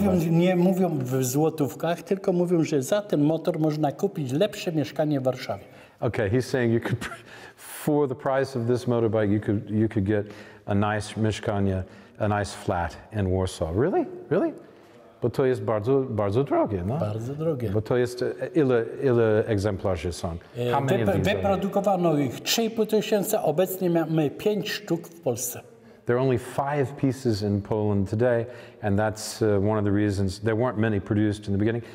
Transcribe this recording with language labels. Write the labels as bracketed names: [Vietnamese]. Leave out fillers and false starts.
[Polish] Nie mówią w złotówkach, tylko mówią, że za ten motor można kupić lepsze mieszkanie w Warszawie. [English] Okay, he's saying you could, for the price of this motorbike, you could get a nice mieszkanie, a nice flat in Warsaw. Really? Really? [Polish] Bo to jest bardzo, bardzo drogie, no? Bardzo drogie. Bo to jest, ile egzemplarzy są? Wyprodukowano ich 3500, obecnie mamy 5 sztuk w Polsce. [English] There are only 5 pieces in Poland today, and that's one of the reasons there weren't many produced in the beginning.